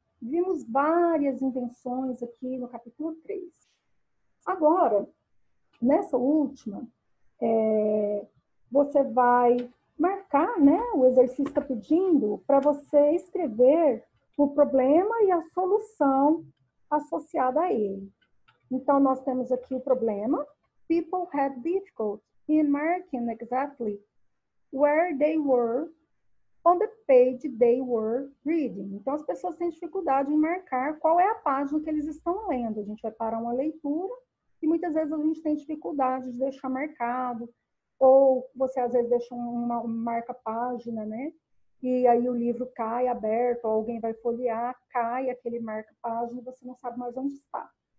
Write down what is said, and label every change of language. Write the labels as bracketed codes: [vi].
[pt] Vimos várias invenções aqui no capítulo 3. Agora, nessa última, você vai marcar, né, o exercício está pedindo para você escrever o problema e a solução associada a ele. Então, nós temos aqui o problema: [en] People had difficulty in marking exactly where they were on the page they were reading. [pt] Então, as pessoas têm dificuldade em marcar qual é a página que eles estão lendo. A gente vai parar uma leitura e muitas vezes a gente tem dificuldade de deixar marcado, ou você às vezes deixa uma marca página, né? E aí o livro cai aberto, ou alguém vai folhear, cai aquele marca página e você não sabe mais onde está.